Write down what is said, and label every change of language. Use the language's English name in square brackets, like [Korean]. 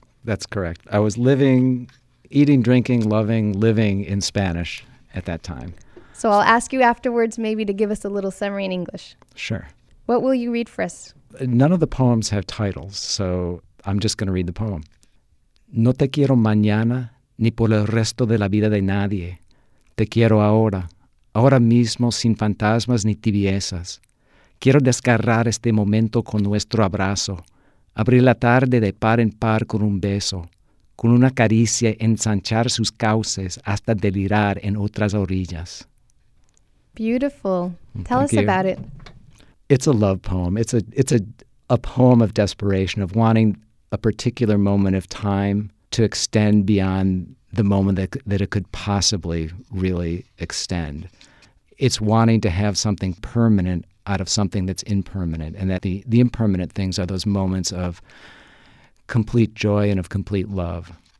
[English] That's correct. I was living, eating, drinking, loving, living in Spanish at that time. So I'll ask you afterwards maybe to give us a little summary in English. Sure. What will you read for us? None of the poems have titles, so I'm just going to read the poem. [Spanish] No te quiero mañana ni por el resto de la vida de nadie. Te quiero ahora, ahora mismo sin fantasmas ni tibiezas. Quiero desgarrar este momento con nuestro abrazo, abrir la tarde de par en par con un beso, con una caricia ensanchar sus cauces hasta delirar en otras orillas. [English] Beautiful. Tell Thank us you. About it. It's a love poem. It's a poem of desperation, of wanting a particular moment of time to extend beyond the moment that it could possibly really extend. It's wanting to have something permanent out of something that's impermanent, and that the impermanent things are those moments of complete joy and of complete love.